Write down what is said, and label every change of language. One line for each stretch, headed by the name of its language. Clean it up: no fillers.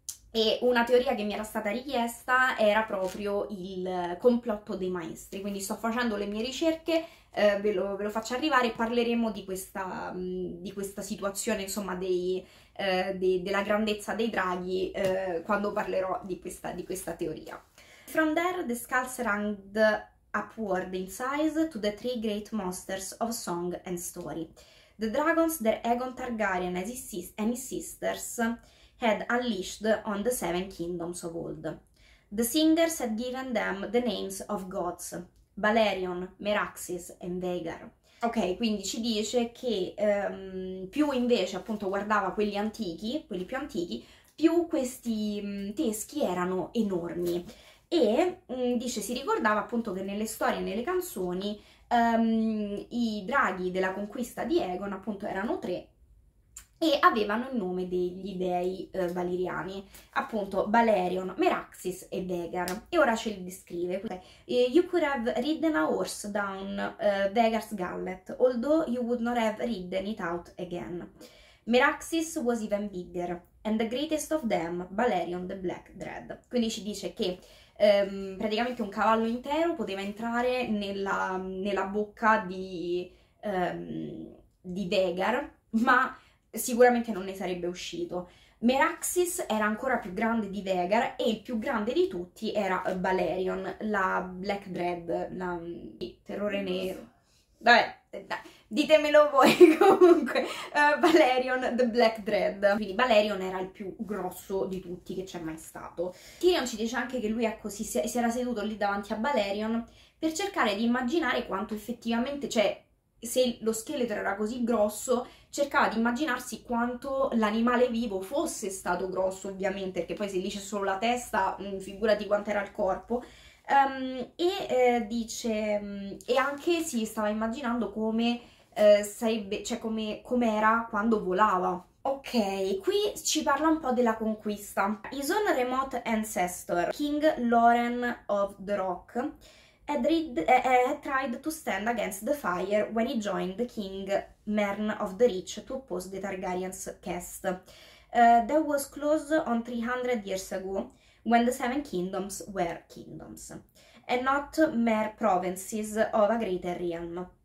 Italian: E una teoria che mi era stata richiesta era proprio il complotto dei maestri. Quindi sto facendo le mie ricerche, ve lo faccio arrivare e parleremo di questa situazione, insomma, della grandezza dei draghi quando parlerò di questa teoria.
English: From there, the skulls ranged upward in size to the three great monsters of song and story. The dragons that Aegon Targaryen and his sisters had unleashed on the Seven Kingdoms of old. The singers had given them the names of gods, Balerion, Meraxes and Vhagar.
Italian: Ok, quindi ci dice che più invece appunto guardava quelli antichi, quelli più antichi, più questi teschi erano enormi. E dice, si ricordava appunto che nelle storie e nelle canzoni i draghi della conquista di Aegon appunto erano tre e avevano il nome degli dei valiriani, appunto Balerion, Meraxes e Vhagar. E ora ce li descrive.
English: You could have ridden a horse down Vhagar's gullet, although you would not have ridden it out again. Meraxes was even bigger, and the greatest of them, Balerion the Black Dread.
Italian: Quindi ci dice che praticamente un cavallo intero poteva entrare nella bocca di Vhagar, ma sicuramente non ne sarebbe uscito. Meraxes era ancora più grande di Vhagar, e il più grande di tutti era Balerion, la Black Dread, il terrore nero. Vabbè, dai. Ditemelo voi comunque, Balerion the Black Dread. Quindi Balerion era il più grosso di tutti che c'è mai stato. Tyrion ci dice anche che lui è così, si era seduto lì davanti a Balerion per cercare di immaginare quanto effettivamente, cioè se lo scheletro era così grosso, cercava di immaginarsi quanto l'animale vivo fosse stato grosso, ovviamente, perché poi se lì c'è solo la testa, figurati quanto era il corpo. E anche si stava immaginando come sarebbe, cioè com'era quando volava. Ok, qui ci parla un po' della conquista.
English: His own remote ancestor, King Loren of the Rock, had tried to stand against the fire when he joined the King Mern of the Reach to oppose the Targaryen's cast. That was close on 300 years ago, when the Seven Kingdoms were kingdoms, and not mere provinces of a greater realm.